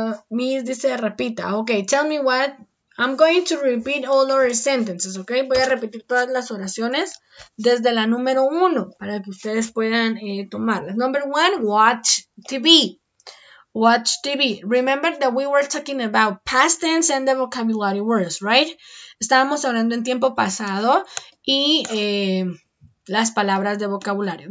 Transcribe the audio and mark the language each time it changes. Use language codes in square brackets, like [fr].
[en] Miss [es] dice, repita. [en] Ok, tell me what. I'm going to repeat all our sentences, ¿ok? [es] Voy a repetir todas las oraciones desde la número uno para que ustedes puedan tomarlas. [en] Number one, watch TV. Watch TV. Remember that we were talking about past tense and the vocabulary words, right? [es] Estábamos hablando en tiempo pasado y las palabras de vocabulario.